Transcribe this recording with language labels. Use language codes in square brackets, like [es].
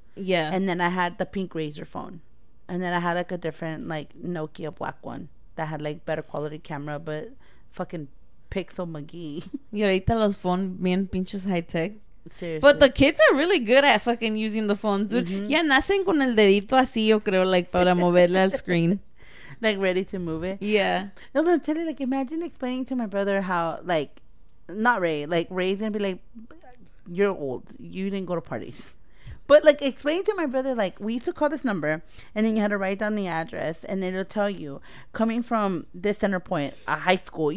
[en] Yeah. And then I had the pink Razer phone. And then I had like a different like Nokia black one that had like better quality camera, but fucking Pixel McGee. [es] Y ahorita los phones bien pinches [en] high tech. Seriously. But the kids are really good at fucking using the phone, dude. Mm-hmm. [es] Ya nacen con el dedito así, yo creo, like para moverle al screen. [en] Like ready to move it. Yeah. No, but I'm telling you, like, imagine explaining to my brother how, like, not Ray, like, Ray's gonna be like, you're old. You didn't go to parties. But, like, explain to my brother, like, we used to call this number, and then you had to write down the address, and it'll tell you, coming from this center point, a high school.